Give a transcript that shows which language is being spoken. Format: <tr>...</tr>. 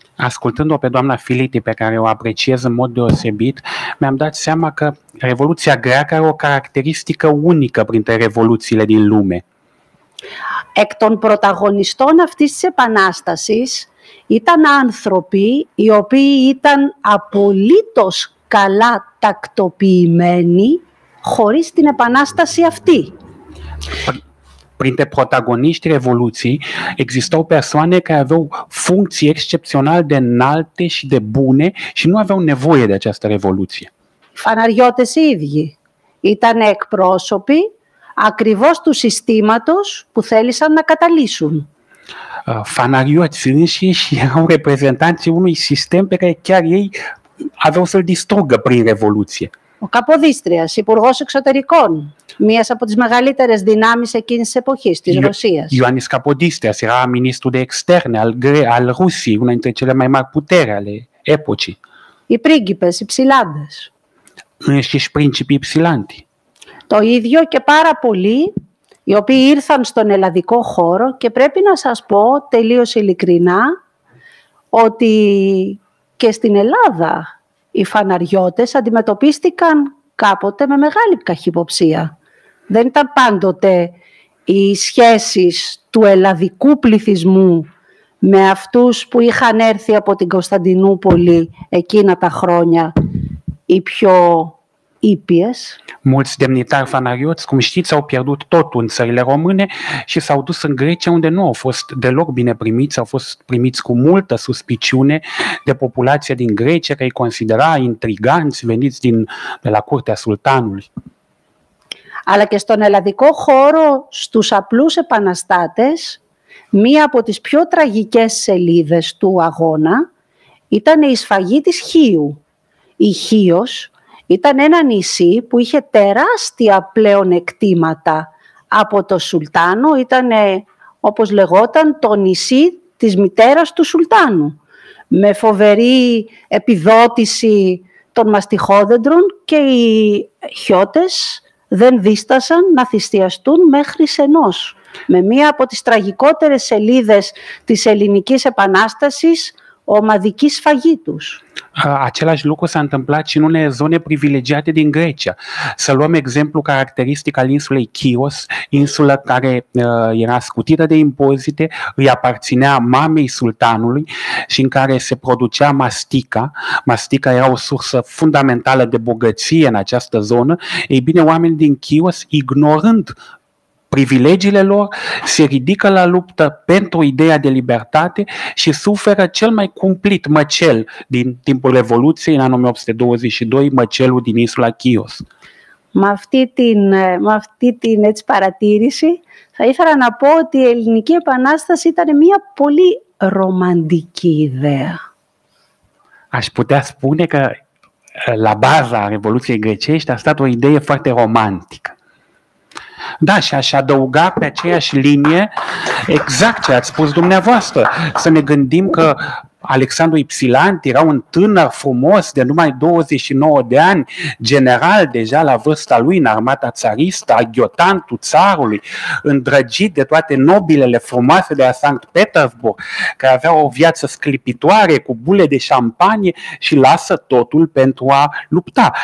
<ro>Ascultându-o pe doamna Filiti, pe care o apreciez în mod deosebit, mi-am dat seama că Revoluția Greacă are o caracteristică unică printre revoluțiile din lume.</ro> <el>Εκ των πρωταγωνιστών αυτής της επανάστασης ήταν άνθρωποι οι οποίοι ήταν απολύτως καλά τακτοποιημένοι χωρίς την επανάσταση αυτή.</el> <ro>Printre protagoniștii Revoluției existau persoane care aveau funcții excepțional de înalte și de bune și nu aveau nevoie de această Revoluție.</ro> <el>Φαναριώτες οι ίδιοι ήταν εκπρόσωποι ακριβώς του συστήματος που θέλησαν να καταλύσουν. Φαναριώτες ίσχυοι</el> <ro>ήταν representanții unui sistem pe care chiar ei aveau să-l distrugă prin Revoluție.</ro> <el>Ο Καποδίστριας, υπουργός εξωτερικών, μίας από τις μεγαλύτερες δυνάμεις εκείνης της εποχής, της Ρωσίας.</el> <ro>Ιωάννης Καποδίστριας, era ministru de externe al Rusiei, una dintre cele mai mari puteri ale epocii.</ro> <el>Οι πρίγκιπες, οι ψηλάντες. Είναι και πρίγκιποι οι ψηλάντοι. Το ίδιο και πάρα πολλοί, οι οποίοι ήρθαν στον ελλαδικό χώρο και πρέπει να σας πω τελείως ειλικρινά ότι και στην Ελλάδα οι φαναριώτες αντιμετωπίστηκαν κάποτε με μεγάλη καχυποψία. Δεν ήταν πάντοτε οι σχέσεις του ελλαδικού πληθυσμού με αυτούς που είχαν έρθει από την Κωνσταντινούπολη εκείνα τα χρόνια οι πιο ήπιες.</el> <ro>Mulți demnitari φαναριώτες, cum știți, au pierdut totul în țările române și s-au dus în Grecia, unde nu au fost deloc bine primiți, au fost primiți cu multă suspiciune de populația din Grecia, că îi considera intriganți veniți de la curtea sultanului.</ro> <el>Αλλά και στον ελλαδικό χώρο, στους απλούς επαναστάτες, μία από τις πιο τραγικές σελίδες του αγώνα ήταν η σφαγή της Χίου. Η Χίος ήταν ένα νησί που είχε τεράστια πλεονεκτήματα από το Σουλτάνο. Ήταν, όπως λεγόταν, το νησί της μητέρας του Σουλτάνου, με φοβερή επιδότηση των μαστιχόδεντρων και οι χιώτες δεν δίστασαν να θυσιαστούν μέχρι σενός. Με μία από τις τραγικότερες σελίδες της ελληνικής επανάστασης, ομαδική σφαγή τους.</el> <ro>Același lucru s-a întâmplat și în unele zone privilegiate din Grecia. Să luăm exemplu caracteristic al insulei Chios, insulă care era scutită de impozite, îi aparținea mamei sultanului și în care se producea mastica. Mastica era o sursă fundamentală de bogăție în această zonă. Ei bine, oamenii din Chios, ignorând privilegiile lor, se ridică la luptă pentru ideea de libertate și suferă cel mai cumplit măcel din timpul Revoluției, în anul 1822, măcelul din insula Chios.</ro> <el>Με αυτή την έτσι παρατήρηση θα ήθελα να πω ότι η Ελληνική Επανάσταση ήταν μια πολύ ρομαντική ιδέα. Ας πούτε ας πούνε και</el> <ro>la baza Revoluției Grecești a stat o idee foarte romantică. Da, și aș adăuga pe aceeași linie exact ce ați spus dumneavoastră. Să ne gândim că Alexandru Ipsilanti era un tânăr frumos de numai 29 de ani, general deja la vârsta lui în armata țaristă, aghiotantul țarului, îndrăgit de toate nobilele frumoase de la Sankt Petersburg, care avea o viață sclipitoare cu bule de șampanie și lasă totul pentru a lupta.</ro>